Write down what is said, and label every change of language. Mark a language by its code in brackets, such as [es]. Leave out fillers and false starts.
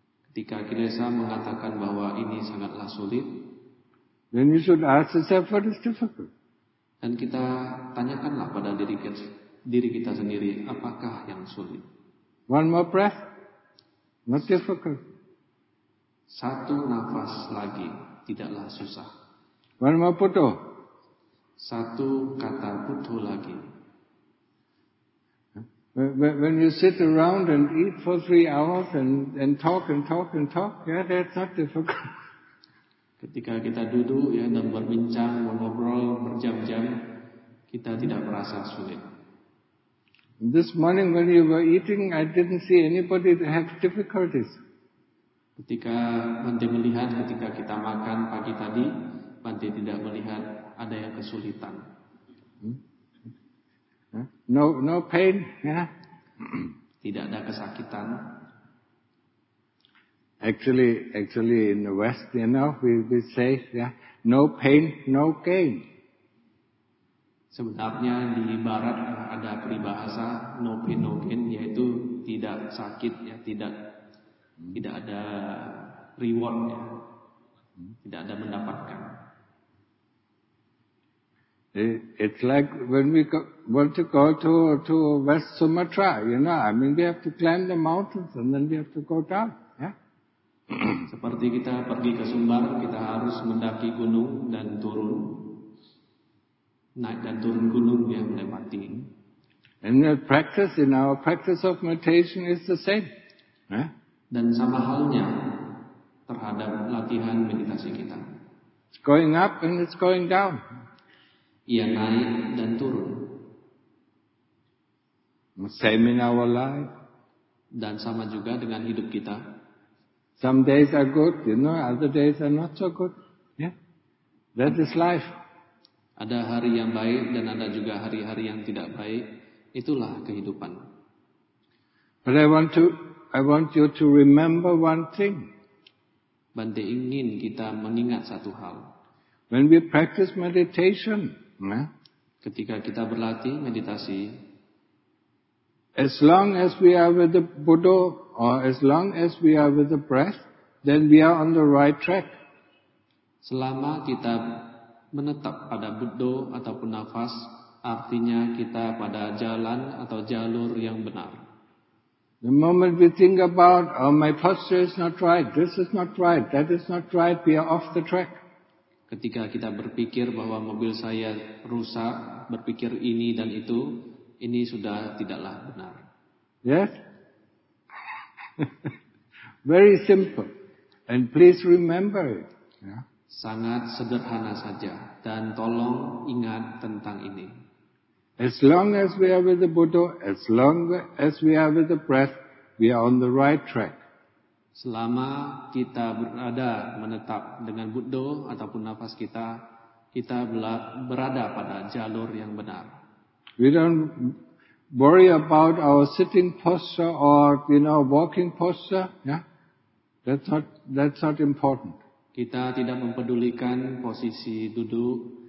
[id] ketika kilesa mengatakan bahwa ini sangatlah sulit, [en] then you should ask yourself what is difficult. [id] Dan kita tanyakanlah pada diri kita sendiri, apakah yang sulit. [en] One more breath. Not difficult. [id] Satu nafas lagi, tidaklah susah. [en] One more putu. [id] Satu kata putu lagi. [en] When you sit around and eat for 3 hours and talk, yeah, that's not difficult. [id] Ketika kita duduk ya dan berbincang, mengobrol berjam-jam, kita tidak merasa sulit. [en] This morning when you were eating, I didn't see anybody have difficulties. [id] Ketika Bante melihat ketika kita makan pagi tadi, Bante tidak melihat ada yang kesulitan. [en] No pain, [id] Tidak ada kesakitan. [en] Actually, in the West, you know, we say, no pain, no gain. [id] Sebenarnya di Barat ada peribahasa [en] no pain no gain, [id] yaitu tidak sakit, tidak ada reward, tidak ada mendapatkan. [en] It's like when we want to go to West Sumatra, we have to climb the mountains and then we have to go down. [id] Seperti kita pergi ke Sumbar, kita harus mendaki gunung dan turun. Naik dan turun gunung yang melewati. [en] And the practice, in our practice of meditation is the same. [id] Dan sama halnya terhadap latihan meditasi kita. [en] It's going up and it's going down. [id] Ia naik dan turun. [en] Same in our life. [id] Dan sama juga dengan hidup kita. [en] Some days are good, other days are not so good. That is life. [id] Ada hari yang baik dan ada juga hari-hari yang tidak baik. Itulah kehidupan. [en] But I want you to remember one thing. [id] Bante ingin kita mengingat satu hal. [en] When we practice meditation, [id] ketika kita berlatih meditasi, [en] as long as we are with the Buddha, or as long as we are with the breath, then we are on the right track. [id] Selama kita menetap pada Buddha ataupun nafas, artinya kita pada jalan atau jalur yang benar. [en] The moment we think about, oh, my posture is not right, this is not right, that is not right, we are off the track. [id] Ketika kita berpikir bahwa mobil saya rusak, berpikir ini dan itu, ini sudah tidaklah benar. [en] Yes? Very simple. And please remember it. [id] Sangat sederhana saja. Dan tolong ingat tentang ini. [en] As long as we are with the Buddha, as long as we are with the breath, we are on the right track. [id] Selama kita berada menetap dengan Buddha ataupun nafas kita, kita berada pada jalur yang benar. [en] We don't worry about our sitting posture or walking posture. That's not important. [id] Kita tidak mempedulikan posisi duduk